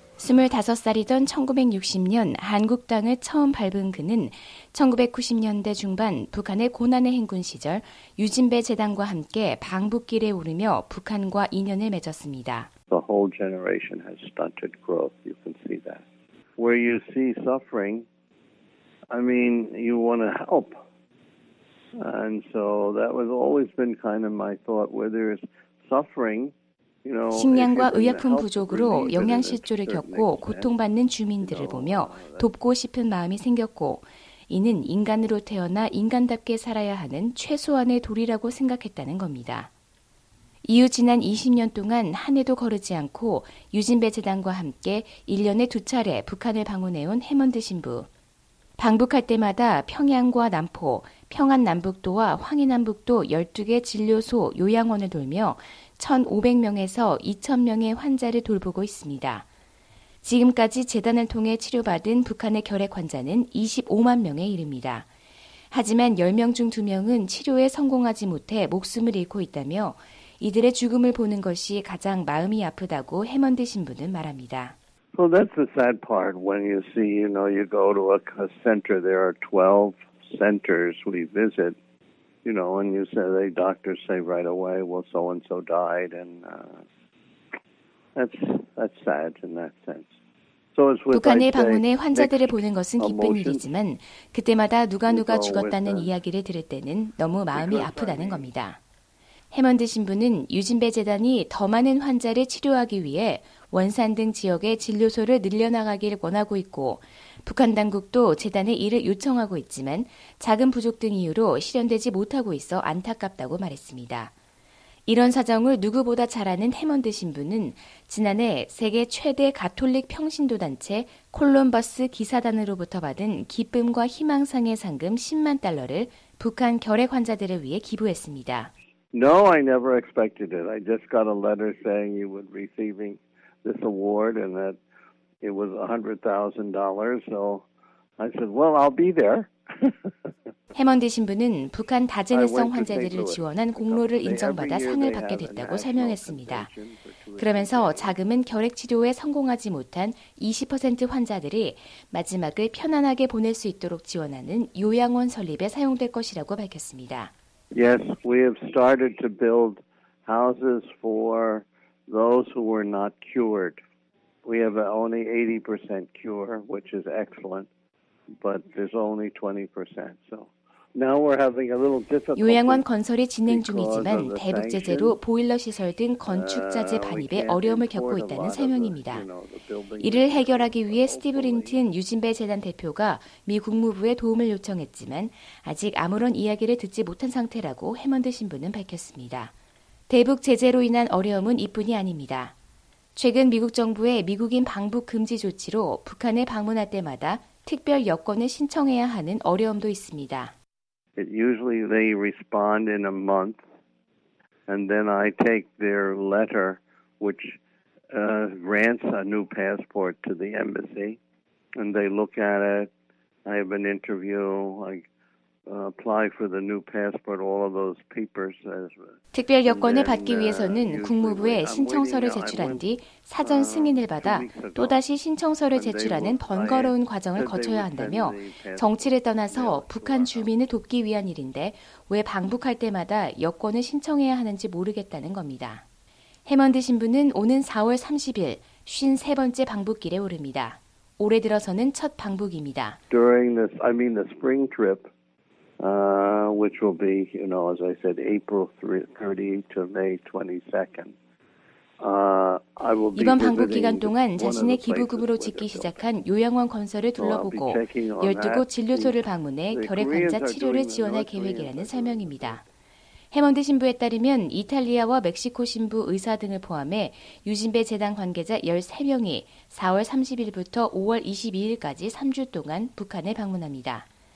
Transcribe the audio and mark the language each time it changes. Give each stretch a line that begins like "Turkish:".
Korean: 25살이던 1960년 한국 땅을 처음 밟은 그는 1990년대 중반 북한의 고난의 행군 시절 유진배 재단과 함께 방북길에 오르며 북한과 인연을 맺었습니다.
English: The whole generation has stunted growth. You can see that. Where you see suffering, I mean, you want to help. And so that was always been kind of my thought. Where there is suffering, you know,
Korean: 식량과 의약품 부족으로 영양실조를 겪고 고통받는 주민들을 보며 돕고 싶은 마음이 생겼고, 이는 인간으로 태어나 인간답게 살아야 하는 최소한의 도리라고 생각했다는 겁니다. 이후 지난 20년 동안 한 해도 거르지 않고 유진배 재단과 함께 1년에 두 차례 북한을 방문해온 해먼드 신부. 방북할 때마다 평양과 남포, 평안남북도와 황해남북도 12개 진료소, 요양원을 돌며 1,500명에서 2,000명의 환자를 돌보고 있습니다. 지금까지 재단을 통해 치료받은 북한의 결핵 환자는 25만 명에 이릅니다. 하지만 10명 중 2명은 치료에 성공하지 못해 목숨을 잃고 있다며 이들의 죽음을 보는 것이 가장 마음이 아프다고 해먼드 신부는 말합니다.
English: So that's the sad part when you see, you know, you go to a center, there are 12 centers we visit, you know, and you say, the doctors say right away, well, so-and-so died, and that's sad in that sense.
Korean: 북한을 방문해 환자들을 보는 것은 기쁜 일이지만 그때마다 누가 죽었다는 이야기를 들을 때는 너무 마음이 아프다는 겁니다. 해먼드 신부는 유진배 재단이 더 많은 환자를 치료하기 위해 원산 등 지역의 진료소를 늘려나가길 원하고 있고 북한 당국도 재단의 일을 요청하고 있지만 자금 부족 등 이유로 실현되지 못하고 있어 안타깝다고 말했습니다. 이런 사정을 누구보다 잘 아는 해먼드 신부는 지난해 세계 최대 가톨릭 평신도 단체 콜럼버스 기사단으로부터 받은 기쁨과 희망상의 상금 10만 달러를 북한 결핵 환자들을 위해 기부했습니다.
English: No, I never expected it. I just got a letter saying you would be receiving this award and that it was $100,000. So I said, well, I'll be there.
Korean: 해먼드 신부는 북한 다제네성 환자들을 지원한 공로를 인정받아 상을 받게 됐다고 설명했습니다. 그러면서 자금은 결핵 치료에 성공하지 못한 20% 환자들이 마지막을 편안하게 보낼 수 있도록 지원하는 요양원 설립에 사용될 것이라고 밝혔습니다.
English: Yes, we have started to build houses for those who were not cured. We have only 80% cure, which is excellent, but there's only 20%. So now we're having a little difficulty.
Korean: 요양원 건설이 진행 중이지만 대북 제재로 보일러 시설 등 건축 자재 반입에 어려움을 겪고 있다는 설명입니다. 이를 해결하기 위해 스티브 린튼 유진배 재단 대표가 미 국무부에 도움을 요청했지만 아직 아무런 이야기를 듣지 못한 상태라고 해먼드 신부는 밝혔습니다. 대북 제재로 인한 어려움은 이뿐이 아닙니다. 최근 미국 정부의 미국인 방북 금지 조치로 북한에 방문할 때마다 특별 여권을 신청해야 하는 어려움도 있습니다.
English: It usually they respond in a month, and then I take their letter, which grants a new passport to the embassy, and they look at it. I have an interview. I apply for the new passport. All of those papers.
Korean: 특별 여권을 받기 위해서는 국무부에 신청서를 제출한 뒤 사전 승인을 받아 또다시 신청서를 제출하는 번거로운 과정을 거쳐야 한다며 정치를 떠나서 북한 주민을 돕기 위한 일인데 왜 방북할 때마다 여권을 신청해야 하는지 모르겠다는 겁니다. 해먼드 신부는 오는 4월 30일 53번째 방북길에 오릅니다. 올해 들어서는 첫 방북입니다.
English: During this, I mean the spring trip. Which will be, you know, as I said, April 30 to May 22nd. I will be
Korean: 이번 방북 기간 동안 자신의 기부금으로 짓기 시작한 요양원 건설을 둘러보고 12곳 진료소를 방문해 결핵 환자 치료를 지원할 계획이라는 설명입니다. 해먼드 신부에 따르면 이탈리아와 멕시코 신부 의사 등을 포함해 유진배 재단 관계자 13명이 4월 30일부터 5월 22일까지 3주 동안 북한을 방문합니다.